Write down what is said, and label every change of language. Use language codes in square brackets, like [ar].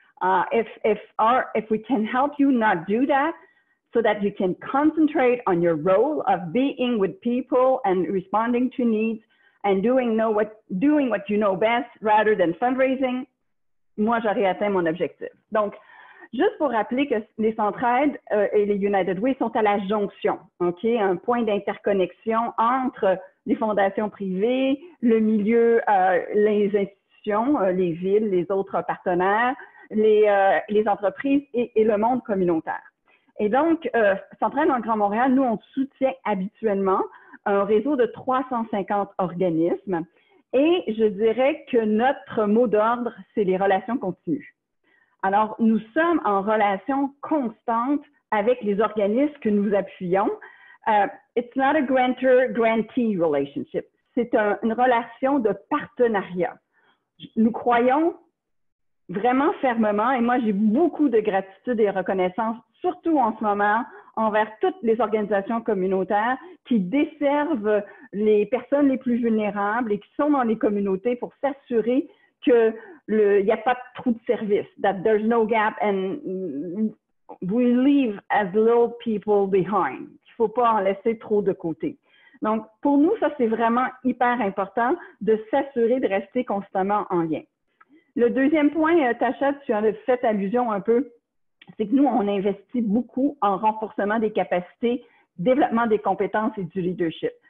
[en] If we can help you not do that, so that you can concentrate on your role of being with people and responding to needs and doing what you know best rather than fundraising, [fr] moi j'aurais atteint mon objectif. Donc, juste pour rappeler que les Centraide et les United Way sont à la jonction, ok, un point d'interconnexion entre les fondations privées, le milieu, les institutions, les villes, les autres partenaires, les entreprises et le monde communautaire. Et donc, Centraide dans le Grand Montréal, nous, on soutient habituellement un réseau de 350 organismes. Et je dirais que notre mot d'ordre, c'est les relations continues. Alors, nous sommes en relation constante avec les organismes que nous appuyons. [en] It's not a grantor-grantee relationship. [fr] C'est une relation de partenariat. Nous croyons vraiment fermement, et moi, j'ai beaucoup de gratitude et reconnaissance, surtout en ce moment, envers toutes les organisations communautaires qui desservent les personnes les plus vulnérables et qui sont dans les communautés pour s'assurer que le, il n'y a pas de trou de service, [en] that there's no gap and we leave as little people behind. [fr] Il ne faut pas en laisser trop de côté. Donc, pour nous, ça, c'est vraiment hyper important de s'assurer de rester constamment en lien. Le deuxième point, Tasha, tu en as fait allusion un peu, c'est que nous, on investit beaucoup en renforcement des capacités, développement des compétences et du leadership.